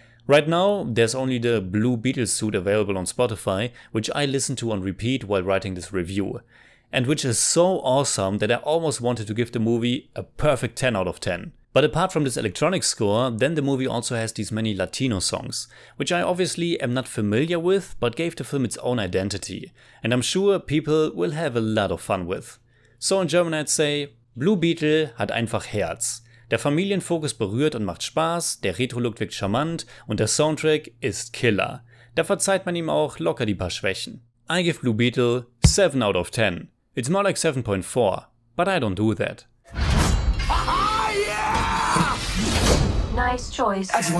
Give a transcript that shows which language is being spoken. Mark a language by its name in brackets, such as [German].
[English] Right now, there's only the Blue Beetle suit available on Spotify, which I listened to on repeat while writing this review, and which is so awesome that I almost wanted to give the movie a perfect 10 out of 10. But apart from this electronic score, then the movie also has these many Latino songs, which I obviously am not familiar with, but gave the film its own identity, and I'm sure people will have a lot of fun with. So in German I'd say, Blue Beetle [German] hat einfach Herz. Der Familien Fokus berührt und macht Spaß, der Retro-Look wirkt charmant und der Soundtrack ist Killer. Da verzeiht man ihm auch locker die paar Schwächen. [English] I give Blue Beetle 7 out of 10. It's more like 7.4, but I don't do that. Aha, yeah! Nice choice.